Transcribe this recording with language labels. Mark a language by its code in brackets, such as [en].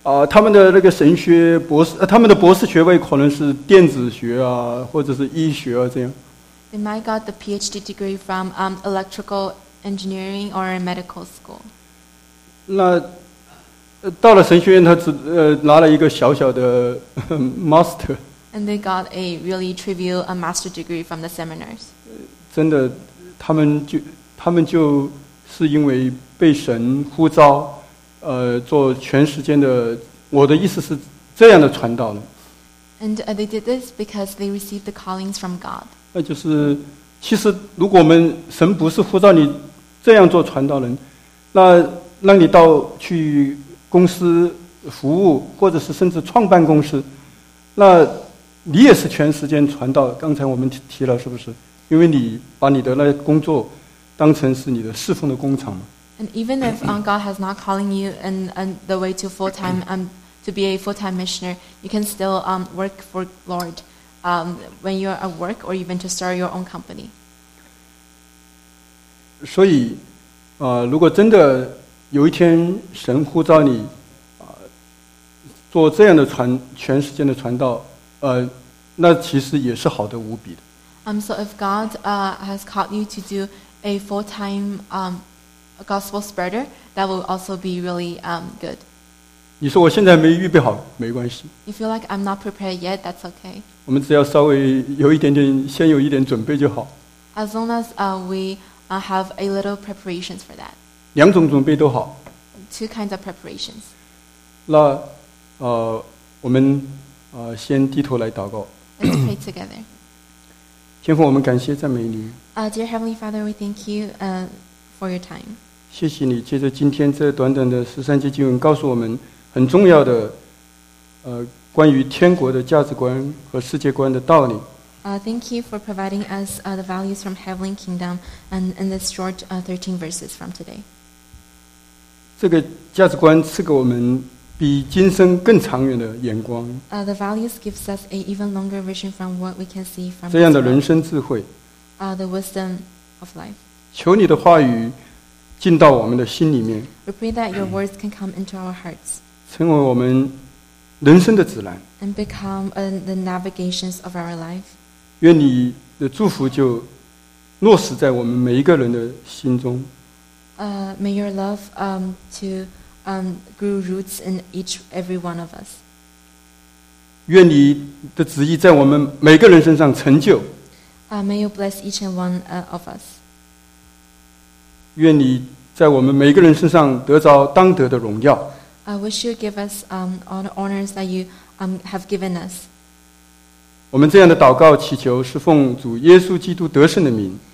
[zh] 他们的那个神学博士，他们的博士学位可能是电子学啊，或者是医学啊这样。 [en] They might got the PhD degree from electrical engineering or medical school. [zh] 那到了神学院，他只拿了一个小小的master。 [en] And they got a really trivial a master degree from the seminars. [zh] 真的，他们就是因为被神呼召，做全时间的。我的意思是这样的传道人。 [en] And they did this because they received the callings from God. [zh] 那就是，其实如果我们神不是呼召你这样做传道人，那让你到去公司服务，或者是甚至创办公司，那。你也是全时间传道，刚才我们提了，是不是？因为你把你的那工作当成是你的侍奉的工厂嘛。 [en] And even if God has not calling you in the way to full time to be a full time missionary, you can still work for Lord when you're at work or even to start your own company. [zh] 所以，如果真的有一天神呼召你，做这样的全时间的传道。那其实也是好的无比的。 [en] So if God has called you to do a full-time gospel spreader, that will also be really good. [zh] 你说我现在没预备好，没关系。 [en] You feel like I'm not prepared yet, that's okay. [zh] 我们只要稍微有一点点，先有一点准备就好。 [en] As long as we have a little preparations for that. [zh] 两种准备都好。 [en] Two kinds of preparations. [zh] 那我们先低头来祷告。 [en] Let's pray together. [zh] 天父，我们感谢赞美你。 [en] Dear Heavenly Father, we thank you for your time. [zh] 谢谢你借着今天这短短的十三节经文告诉我们很重要的关于天国的价值观和世界观的道理。 [en] Thank you for providing us the values from Heavenly Kingdom and in this short 13 verses from today. [zh] 这个价值观赐给我们比今生更长远的眼光。 [en] The values gives us an even longer vision from what we can see from [zh] 这样的人生智慧。 [en] The wisdom of life. [zh] 求你的话语进到我们的心里面。 [en] We pray that your words can come into our hearts. [zh] 成为我们人生的指南。 [en] And become the navigations of our life. [zh] 愿你的祝福就落实在我们每一个人的心中。 [en] May your love grew roots in each every one of us. [zh] 愿你的旨意在我们每个人身上成就。 [en] May you bless each and one of us. [zh] 愿你在我们每个人身上得着当得的荣耀。 [en] I wish you give us all the honors that you have given us. [zh] 我们这样的祷告祈求是奉主耶稣基督得胜的名。